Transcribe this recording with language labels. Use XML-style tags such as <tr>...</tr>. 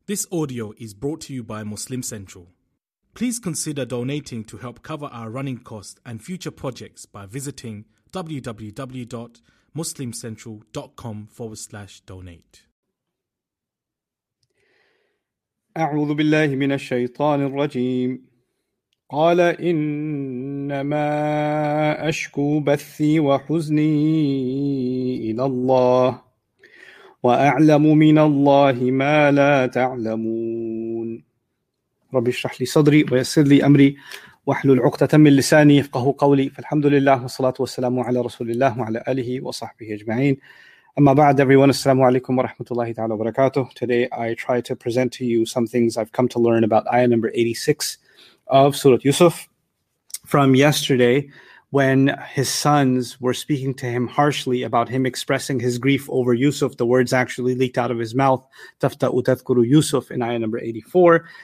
<en>This audio is brought to you by Muslim Central. Please consider donating to help cover our running costs and future projects by visiting www.muslimcentral.com/donate.</en> <ar>أعوذ بالله من الشيطان الرجيم. قال إنما أشكو بثي وحزني إلى الله. وأعلم من الله ما لا تعلمون رب اشرح لي صدري ويسر لي أمري واحلل عقدة من لساني يفقهوا قولي فالحمد لله والصلاة والسلام على رسول الله وعلى آله وصحبه أجمعين أما بعد</ar> <en>everyone</en> <ar>السلام عليكم ورحمة الله تعالى وبركاته.</ar> <en>Today I try to present to you some things I've come to learn about ayah number 86 of Surah Yusuf from yesterday when his sons were speaking to him harshly about him expressing his grief over Yusuf. The words actually leaked out of his mouth,</en> <ar>taftau tadhkuru Yusuf</ar> <en>in ayah number 84.</en>